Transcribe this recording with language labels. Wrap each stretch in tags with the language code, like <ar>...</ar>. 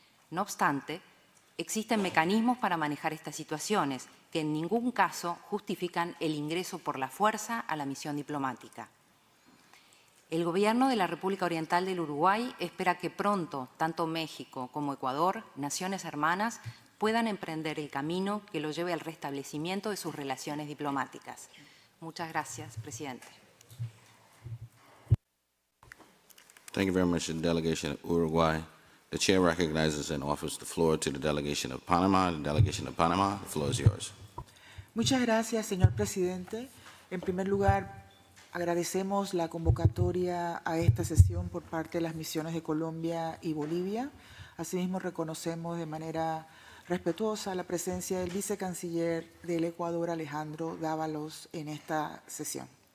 <es>No obstante, existen mecanismos para manejar estas situaciones que en ningún caso justifican el ingreso por la fuerza a la misión diplomática. El Gobierno de la República Oriental del Uruguay espera que pronto tanto México como Ecuador, naciones hermanas, puedan emprender el camino que lo lleve al restablecimiento de sus relaciones diplomáticas. Muchas gracias, presidente.</es> <en>Thank you very much to the delegation of Uruguay. The chair recognizes and offers the floor to the delegation of Panama. The delegation of Panama, the floor is yours.</en> <es>Muchas gracias, señor presidente. En primer lugar, agradecemos la convocatoria a esta sesión por parte de las misiones de Colombia y Bolivia. Asimismo, reconocemos de manera respetuosa la presencia del vicecanciller del Ecuador, Alejandro Dávalos, en esta sesión.</es>